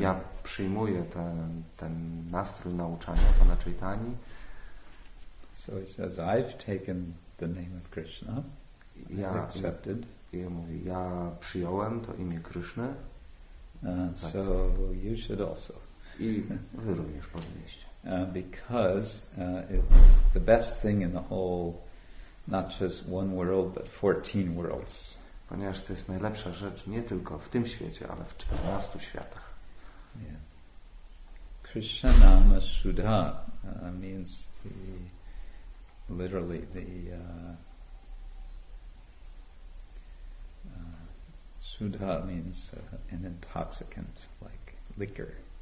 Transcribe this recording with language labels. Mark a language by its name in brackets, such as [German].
[Polish] ja przyjmuję ten nastrój nauczania Pana Chaitani. [English] So he says, I've taken the name of Krishna. [Polish] Ja [English] accepted. [Polish] I mówi, ja przyjąłem to imię Krishna. [English] So you should also. [Polish] I wy również powinniście. [English] Because it's the best thing in the whole, not just one world, but 14 worlds. [Polish] Ponieważ to jest najlepsza rzecz nie tylko w tym świecie, ale w 14 światach. [English] Yeah. Krishna nama śruta means the, literally the śruta means an intoxicant, like liquor.